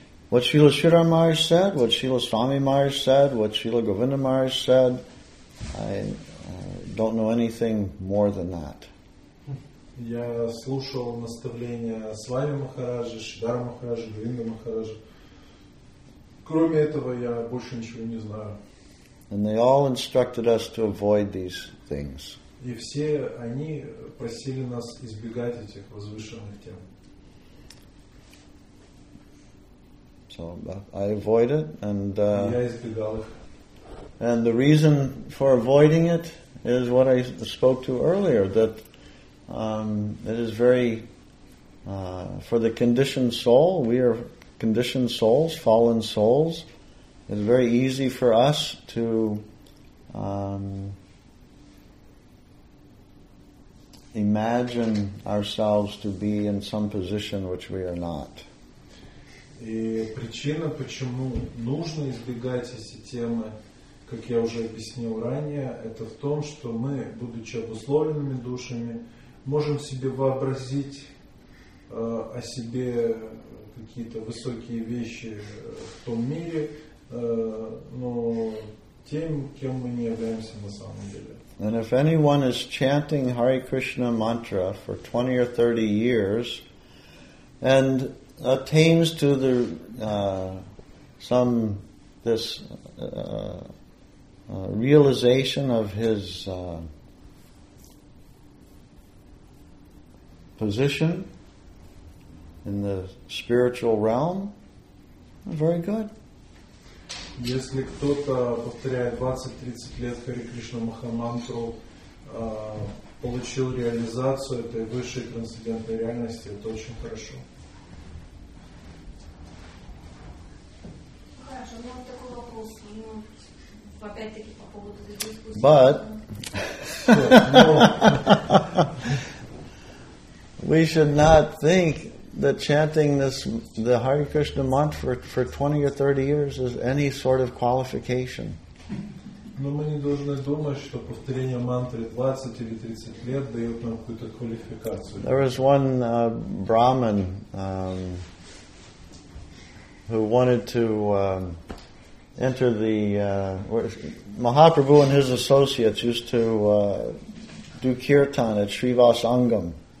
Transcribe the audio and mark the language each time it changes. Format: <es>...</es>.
<en>What Srila Sridhar Maharaj said, what Srila Swami Maharaj said, what Srila Govinda Maharaj said, I don't know anything more than that.</en> <ru>Я слушал наставления Свами Махараджа, Шридхара Махараджа, Говинда Махараджа. Кроме этого, я больше ничего не знаю.</ru> <en>And they all instructed us to avoid these things.</en> <ru>И все они просили нас избегать этих возвышенных тем.</ru> <en>So I avoid it, and and the reason for avoiding it is what I spoke to earlier, that it is very for the conditioned soul. We are conditioned souls, fallen souls. It's very easy for us to imagine ourselves to be in some position which we are not.</en> <ru>И при причина, почему нужно избегать эти темы, как я уже объяснил ранее, это в том, что мы, будучи обусловленными душами, можем себе вообразить о себе какие-то высокие вещи в том мире, но тем, кем мы не являемся на самом деле.</ru> <en>And if anyone is chanting Hare Krishna mantra for 20 or 30 years and attains to the realization of his position in the spiritual realm, very good.</en> <ru>Если кто-то повторяет 20-30 лет Хари Кришна Махамантру, получил реализацию этой высшей трансцендентной реальности, это очень хорошо. Хорошо, у меня такой вопрос. Ну, опять-таки по поводу этой дискуссии.</ru> <en>But we should not think that chanting the Hare Krishna mantra for 20 or 30 years is any sort of qualification.</en> <ru>Но мы не должны думать, что повторение мантры 20 или 30 лет дает нам какую-то квалификацию.</ru> <en>There was one Brahmin who wanted to enter the Mahaprabhu and his associates used to do kirtan at Srivas Angam.</en>